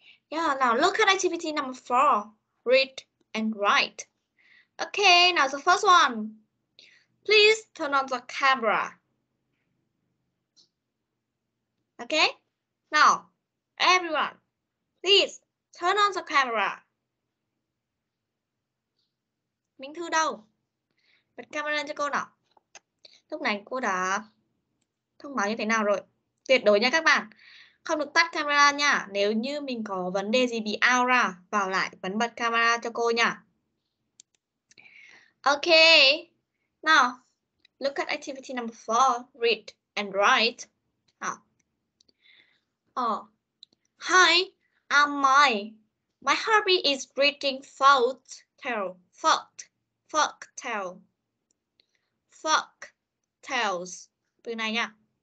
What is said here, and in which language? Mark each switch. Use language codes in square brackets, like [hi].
[en] Yeah, now look at activity number 4, read and write. Okay, now the first one. Please turn on the camera. Okay, now everyone, please turn on the camera. [vi] Minh Thư đâu? Bật camera lên cho cô nào. Lúc này cô đã thông báo như thế nào rồi? Tuyệt đối nha các bạn. Không được tắt camera nha. Nếu như mình có vấn đề gì bị out ra, vào lại vẫn bật camera cho cô nha. [en] Okay. Now, look at activity number 4, read and write. Hi, I'm Mai. My hobby is reading folk tales. [vi] Từ này nha.